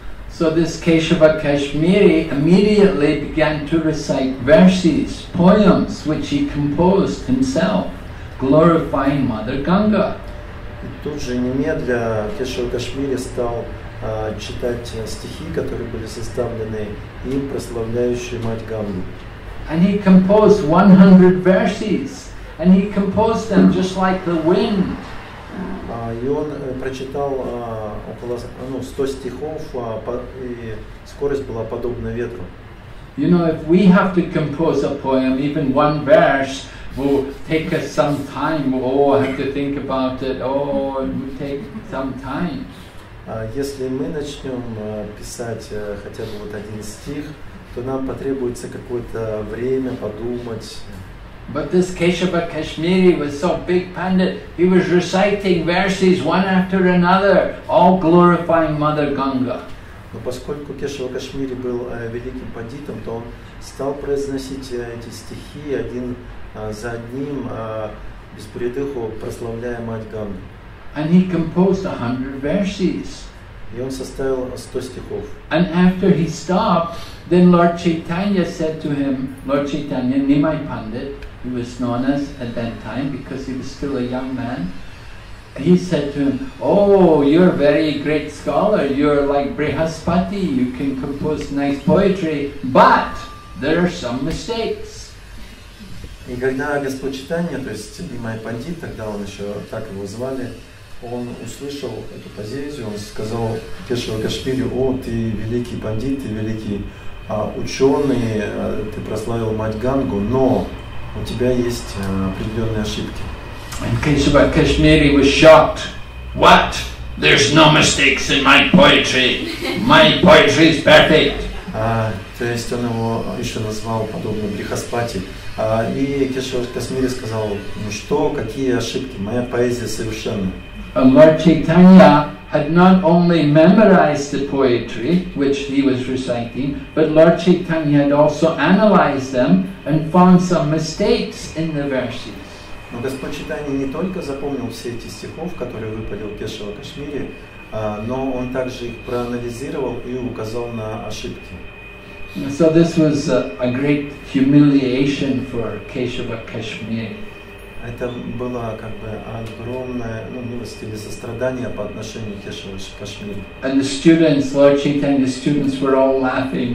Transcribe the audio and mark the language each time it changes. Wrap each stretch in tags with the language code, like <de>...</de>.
<en>So this Keshava Kashmiri immediately began to recite verses, poems which he composed himself, glorifying Mother Ganga.</en> <ru>И тут же немедля Кешава Кашмири стал читать стихи, которые были составлены им, прославляющие мать Гангу.</ru> <en>And he composed 100 verses, and he composed them just like the wind.</en> <ru>И он прочитал около 100 стихов, и скорость была подобна ветру.</ru> <en>You know, if we have to compose a poem, even one verse, will take us some time. We all have to think about it. Oh, it will take some time.</en> <ru>Если мы начнем писать хотя бы вот один стих, то нам потребуется какое-то время подумать.</ru> <en>But this Keshava Kashmiri was so big pandit, he was reciting verses one after another, all glorifying Mother Ganga.</en> <ru>Но поскольку Кешава Кашмири был великим пандитом, то он стал произносить эти стихи один за одним, без передыху, прославляя мать Гангу.</ru> <en>And he composed 100 verses.</en> <ru>И он составил 100 стихов.</ru> <en>And after he stopped, then Lord Chaitanya said to him, Lord Chaitanya, Nimai Pandit, he was known as at that time because he was still a young man. He said to him, oh, you're a very great scholar. You're like Brihaspati. You can compose nice poetry, but there are some mistakes.</en> <ru>И когда Господь Чайтанья, то есть Нимай Пандит, тогда он еще так его звали, он услышал эту позицию, он сказал Кешава Кашмири, о, ты великий пандит, ты великий ученый, ты прославил мать Гангу, но у тебя есть определенные ошибки.</ru> <en>And Кешава Кашмири was shocked. What? There's no mistakes in my poetry. My poetry is perfect.</en> <ru>То есть он его еще назвал подобным Брихаспати. И Кешава Кашмири сказал, ну что, какие ошибки? Моя поэзия совершенна.</ru> <en>And Lord Chaitanya had not only memorized the poetry which he was reciting, but Lord Chaitanya had also analyzed them and found some mistakes in the verses.</en> <ru>Но Господь Чайтанья не только запомнил все эти стихов, которые выпалил Кешава Кашмири, но он также их проанализировал и указал на ошибки.</ru> <en>So this was a great humiliation for Kesava Kashmiri.</en> <ru>Это было как бы огромное, ну, милость или сострадание по отношению к Кешава Кашмири.</ru> <en>And the students, Lord Chaitanya, the students were all laughing.</en>